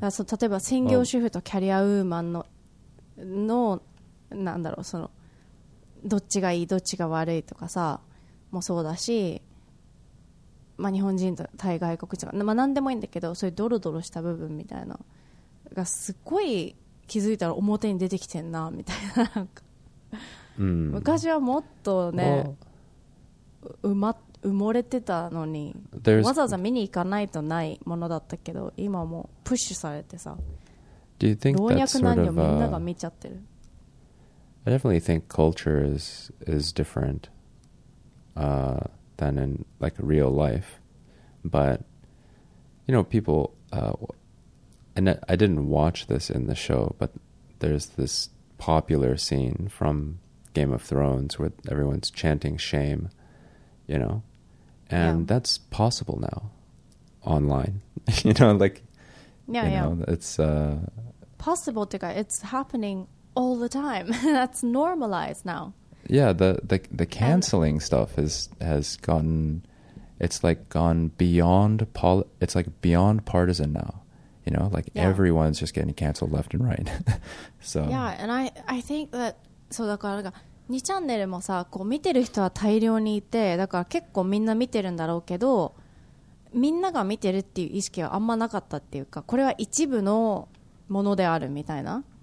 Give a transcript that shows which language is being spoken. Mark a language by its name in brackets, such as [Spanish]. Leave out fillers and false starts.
[Japanese] だから例えば専業主婦とキャリアウーマン のなんだろう、そのどっちがいいどっちが悪いとかさもそうだし、まあ、日本人と対外国人とか、まあ、何でもいいんだけど、そういうドロドロした部分みたいながすごい気づいたら表に出てきてんなみたいな、なんか、うん、昔はもっとね、埋もれてたのに、わざわざ見に行かないとないものだったけど、今はもうプッシュされてさ、 [English] Do you think [Japanese] 老若男女みんなが見ちゃってる。 [English] I definitely think culture is different、than in like real life, but you know, people, and I didn't watch this in the show, but there's this popular scene from Game of Thrones where everyone's chanting shame, you know, and yeah. that's possible now online, you know, like, yeah, you yeah. know, it's possible to go, it's happening all the time, that's normalized now. Yeah, the canceling stuff has gotten, it's like gone beyond it's like beyond partisan now, you know, like yeah. everyone's just getting canceled left and right. So yeah, and I think that [Japanese] そうだからなんか2チャンネルもさ、こう見てる人は大量にいて、だから結構みんな見てるんだろうけど、みんなが見てるっていう意識はあんまなかったっていうか、これは一部のものであるみたいな。